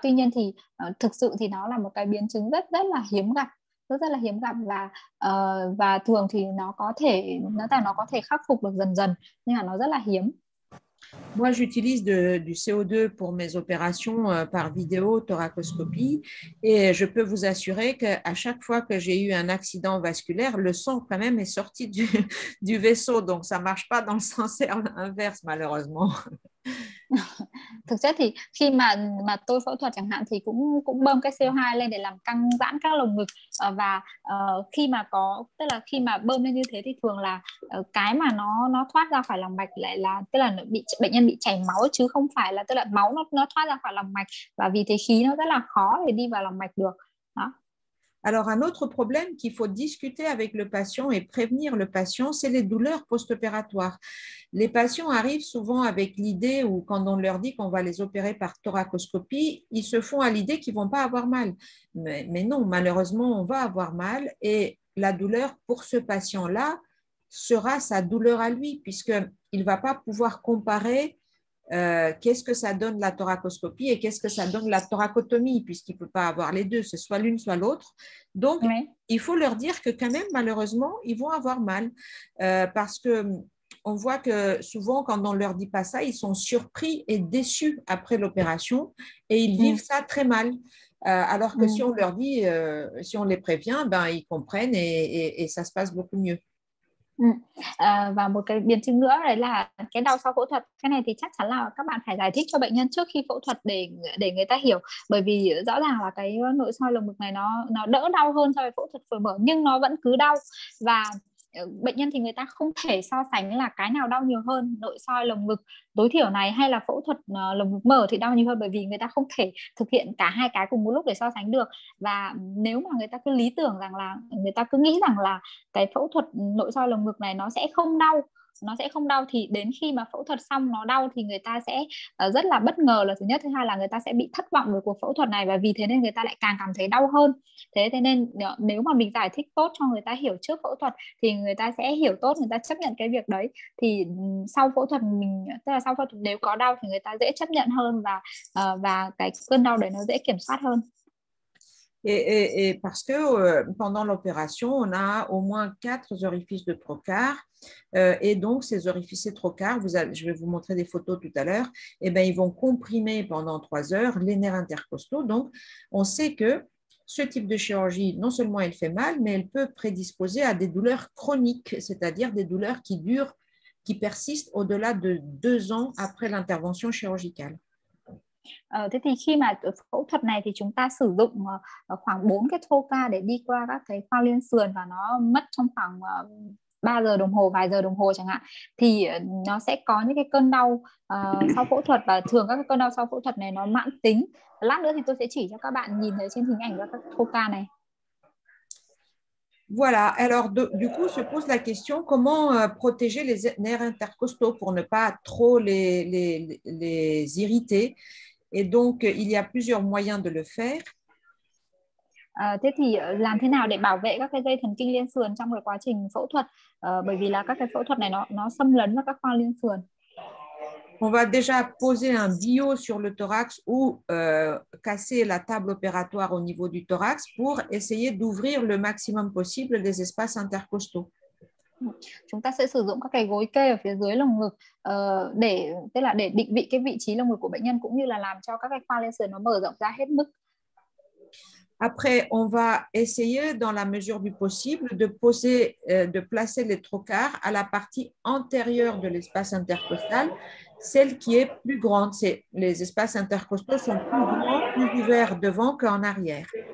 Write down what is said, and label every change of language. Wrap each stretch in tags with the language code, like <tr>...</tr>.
<vi>Tuy nhiên thì thực sự thì nó là một cái biến chứng rất rất là hiếm gặp, rất là hiếm gặp, và thường thì nó có thể khắc phục được dần dần, nhưng mà nó rất là hiếm.</vi> <fr>Moi, j'utilise du CO2 pour mes opérations par vidéo thoracoscopie et je peux vous assurer qu'à chaque fois que j'ai eu un accident vasculaire, le sang quand même est sorti du vaisseau. Donc, ça ne marche pas dans le sens inverse, malheureusement.</fr> <vi>Thực chất thì khi mà tôi phẫu thuật chẳng hạn thì cũng cũng bơm cái CO2 lên để làm căng giãn các lồng ngực, và khi mà có tức là khi mà bơm lên như thế thì thường là cái mà nó thoát ra khỏi lòng mạch lại là tức là nó bị bệnh nhân bị chảy máu, chứ không phải là tức là máu nó thoát ra khỏi lòng mạch, và vì thế khí nó rất là khó để đi vào lòng mạch được.</vi> <fr>Alors, un autre problème qu'il faut discuter avec le patient et prévenir le patient, c'est les douleurs post-opératoires. Les patients arrivent souvent avec l'idée, ou quand on leur dit qu'on va les opérer par thoracoscopie, ils se font à l'idée qu'ils ne vont pas avoir mal. Mais non, malheureusement, on va avoir mal et la douleur pour ce patient-là sera sa douleur à lui, puisqu'il ne va pas pouvoir comparer. Qu'est-ce que ça donne la thoracoscopie et qu'est-ce que ça donne la thoracotomie, puisqu'il ne peut pas avoir les deux, c'est soit l'une, soit l'autre. Donc, il faut leur dire que quand même, malheureusement, ils vont avoir mal, parce que on voit que souvent, quand on ne leur dit pas ça, ils sont surpris et déçus après l'opération et ils vivent ça très mal. Alors que si on leur dit, si on les prévient, ben, ils comprennent et ça se passe beaucoup mieux.</fr> <vi>Và một cái biến chứng nữa đấy là cái đau sau phẫu thuật. Cái này thì chắc chắn là các bạn phải giải thích cho bệnh nhân trước khi phẫu thuật để người ta hiểu, bởi vì rõ ràng là cái nội soi lồng ngực này nó đỡ đau hơn so với phẫu thuật phổi mở, nhưng nó vẫn cứ đau, và bệnh nhân thì người ta không thể so sánh là cái nào đau nhiều hơn, nội soi lồng ngực tối thiểu này hay là phẫu thuật lồng ngực mở thì đau nhiều hơn, bởi vì người ta không thể thực hiện cả hai cái cùng một lúc để so sánh được. Và nếu mà người ta cứ lý tưởng rằng là người ta cứ nghĩ rằng là cái phẫu thuật nội soi lồng ngực này nó sẽ không đau thì đến khi mà phẫu thuật xong nó đau thì người ta sẽ rất là bất ngờ là thứ nhất, thứ hai là người ta sẽ bị thất vọng về cuộc phẫu thuật này, và vì thế nên người ta lại càng cảm thấy đau hơn. Thế nên nếu mà mình giải thích tốt cho người ta hiểu trước phẫu thuật thì người ta sẽ hiểu tốt, người ta chấp nhận cái việc đấy, thì sau phẫu thuật mình tức là sau phẫu thuật nếu có đau thì người ta dễ chấp nhận hơn, và cái cơn đau đấy nó dễ kiểm soát hơn.</vi> <fr>Et parce que pendant l'opération, on a au moins quatre orifices de trocar. Et donc, ces orifices de trocar, je vais vous montrer des photos tout à l'heure, et bien, ils vont comprimer pendant 3 heures les nerfs intercostaux. Donc, on sait que ce type de chirurgie, non seulement elle fait mal, mais elle peut prédisposer à des douleurs chroniques, c'est-à-dire des douleurs qui durent, qui persistent au-delà de 2 ans après l'intervention chirurgicale.</fr> <vi>Thế thì khi mà phẫu thuật này thì chúng ta sử dụng khoảng 4 cái thô ca để đi qua các cái khoang liên sườn, và nó mất trong khoảng 3 giờ đồng hồ, vài giờ đồng hồ chẳng hạn, thì nó sẽ có những cái cơn đau sau phẫu thuật, và thường các cái cơn đau sau phẫu thuật này nó mãn tính. Lát nữa thì tôi sẽ chỉ cho các bạn nhìn thấy trên hình ảnh các thô ca này.</vi> <fr>Voilà, alors du coup se pose la question comment protéger les nerfs intercostaux pour ne pas trop les irriter. Et donc, il y a plusieurs moyens de le faire.</fr> <vi>Thế thì làm thế nào để bảo vệ các cái dây thần kinh liên sườn trong cái quá trình phẫu thuật? Bởi vì là các cái phẫu thuật này nó xâm lấn vào các khoang liên sườn.</vi> <fr>On va déjà poser un bio sur le thorax ou casser la table opératoire au niveau du thorax pour essayer d'ouvrir le maximum possible les espaces intercostaux.</fr> <vi>Chúng ta sẽ sử dụng các cái gối kê ở phía dưới lồng ngực để tức là để định vị cái vị trí lồng ngực của bệnh nhân, cũng như là làm cho các cái khoang liên sườn nó mở rộng ra hết mức.</vi> <fr>Après, on va essayer, dans la mesure du possible, de placer les trocars à la partie antérieure de l'espace intercostal, celle qui est plus grande. C'est, les espaces intercostaux sont plus grands, plus ouverts devant qu'en arrière.</fr>